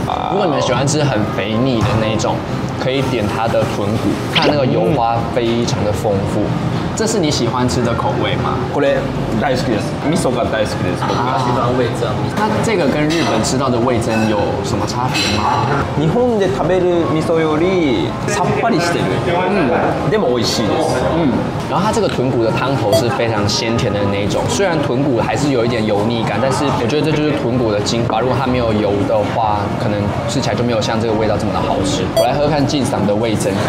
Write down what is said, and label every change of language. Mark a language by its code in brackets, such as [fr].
[zh] 如果你们喜欢吃很肥腻的那一种。可以点它的豚骨，看那个油花非常的丰富。这是你喜欢吃的口味吗？ [ja] これ大好きです。味噌が大好きです。 [zh] 我喜欢味噌。那这个跟日本吃到的味噌有什么差别吗？ [ja] 日本で食べる味噌よりさっぱりしてる。でも美味しいです。 [zh] 然后它这个豚骨的汤头是非常鲜甜的那一种，虽然豚骨还是有一点油腻感，但是我觉得这就是豚骨的精华。如果它没有油的话，可能吃起来就没有像这个味道这么的好吃。我来喝看进赏的味噌。